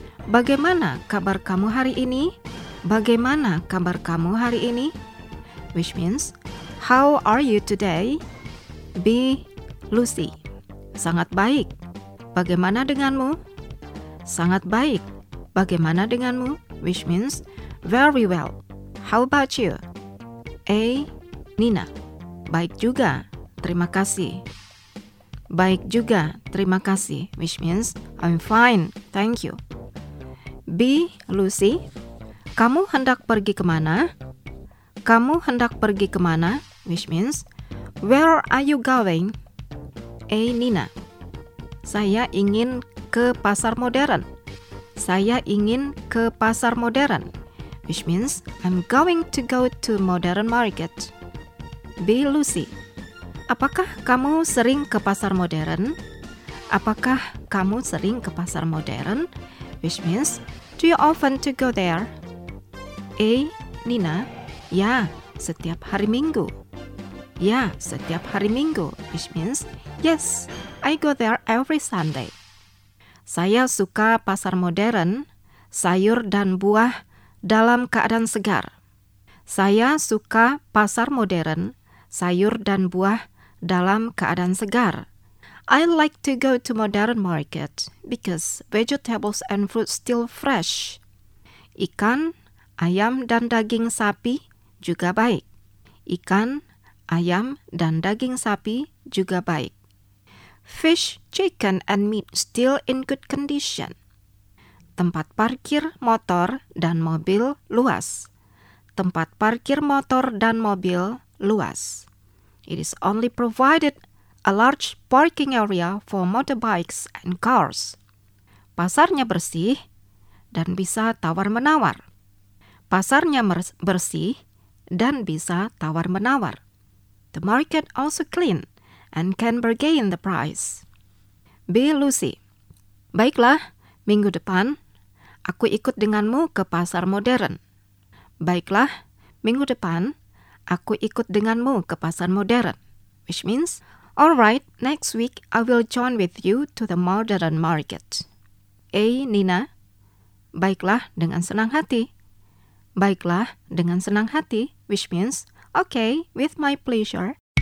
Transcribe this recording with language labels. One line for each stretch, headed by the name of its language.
Indonesian: Bagaimana kabar kamu hari ini? Bagaimana kabar kamu hari ini?
English: Which means, how are you today?
Indonesian: B. Lucy. Sangat baik. Bagaimana denganmu? Sangat baik. Bagaimana denganmu?
English: Which means, very well. How about you?
Indonesian: A. Nina. Baik juga. Terima kasih. Baik juga. Terima kasih.
English: Which means, I'm fine. Thank you. B. Lucy.
Indonesian: Kamu hendak pergi kemana? Kamu hendak pergi kemana?
English: Which means, where are you going? A. Nina.
Indonesian: Saya ingin ke pasar modern. Saya ingin ke pasar modern.
English: Which means, I'm going to go to modern market. B. Lucy.
Indonesian: Apakah kamu sering ke pasar modern? Apakah kamu sering ke pasar modern?
English: Which means, do you often to go there? A. Nina.
Indonesian: Ya, setiap hari Minggu. Ya, setiap hari Minggu,
English: which means yes, I go there every Sunday.
Indonesian: Saya suka pasar modern, sayur dan buah dalam keadaan segar. Saya suka pasar modern, sayur dan buah dalam keadaan segar.
English: I like to go to modern market because vegetables and fruit still fresh.
Indonesian: Ikan, ayam dan daging sapi juga baik. Ikan, ayam dan daging sapi juga baik.
English: fish, chicken, and meat still in good condition.
Indonesian: Tempat parkir motor dan mobil luas. Tempat parkir motor dan mobil luas.
English: It is only provided a large parking area for motorbikes and cars.
Indonesian: Pasarnya bersih dan bisa tawar-menawar. Pasarnya bersih dan bisa tawar-menawar.
English: The market also clean and can bargain the price. B. Lucy.
Indonesian: Baiklah, minggu depan aku ikut denganmu ke pasar modern. Baiklah, minggu depan aku ikut denganmu ke pasar modern.
English: Which means, all right, next week I will join with you to the modern market. A. Nina.
Indonesian: Baiklah, dengan senang hati. Baiklah, dengan senang hati.
English: Which means, okay, with my pleasure.